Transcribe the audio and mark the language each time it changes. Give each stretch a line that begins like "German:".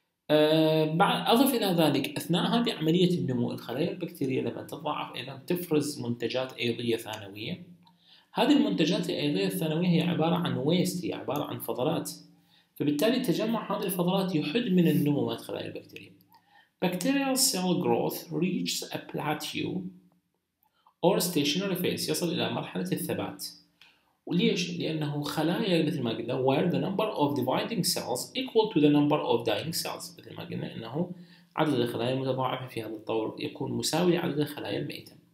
Arabic: أضف إلى ذلك أثناء هذه عملية النمو الخلايا البكتيرية لما تضاعف أيضا تفرز منتجات أيضية ثانوية. هذه المنتجات الأيضية الثانوية هي عبارة عن ويست، هي عبارة عن فضلات، فبالتالي تجمع هذه الفضلات يحد من النمو مال الخلايا البكتيرية.
English: Bacterial cell growth reaches a plateau or stationary phase،
Arabic: يصل إلى مرحلة الثبات. وليش؟ لأنه خلايا مثل ما قلنا
English: where the number of dividing cells equal to the number of dying cells،
Arabic: مثل ما قلنا أنه عدد الخلايا المتضاعفة في هذا الطور يكون مساوي لعدد الخلايا الميتة.